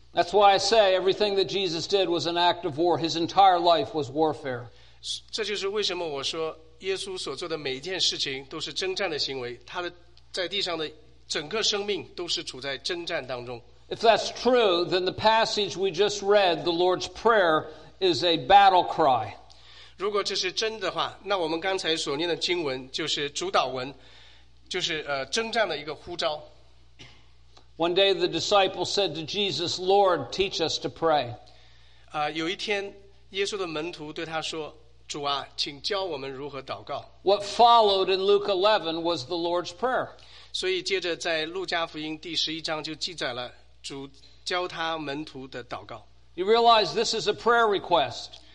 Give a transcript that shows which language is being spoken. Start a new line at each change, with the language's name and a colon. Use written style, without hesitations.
English: That's why I say everything that Jesus did was an act of war. His entire life was warfare.
Chinese: 这就是为什么我说耶稣所做的每一件事情都是征战的行为。他的在地上的整个生命都是处在征战当中。
English: If that's true, then the passage we just read, the Lord's Prayer, is a battle cry.
Chinese: 如果这是真的话，那我们刚才所念的经文就是主导文，就是征战的一个呼召。
English: One day the disciple said to Jesus, Lord, teach us to pray.
Chinese: 有一天耶稣的门徒对他说，主啊，请教我们如何祷告。
English: What followed in Luke 11 was the Lord's Prayer.
Chinese: 所以接着在路加福音第十一章就记载了主教他门徒的祷告。
English: You realize this is a prayer request.